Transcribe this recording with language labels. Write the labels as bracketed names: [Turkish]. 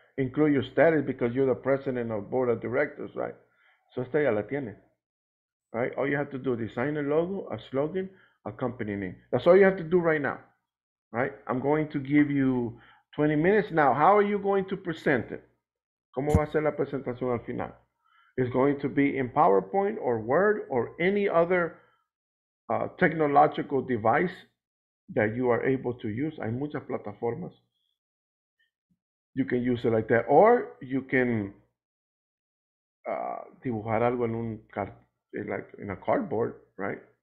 [English] Include your status because you're the president of board of directors, right? So [Spanish] esta ya la tiene. [English] Right? All you have to do, design a logo, a slogan, a company name. That's all you have to do right now. Right? I'm going to give you 20 minutes. Now, how are you going to present it? [Spanish] ¿Cómo va a ser la presentación al final? [English] It's going to be in PowerPoint or Word or any other technological device that you are able to use. [Spanish] Hay muchas plataformas. [English] You can use it like that. Or you can [Spanish] dibujar algo en un [English] like in a cardboard, right?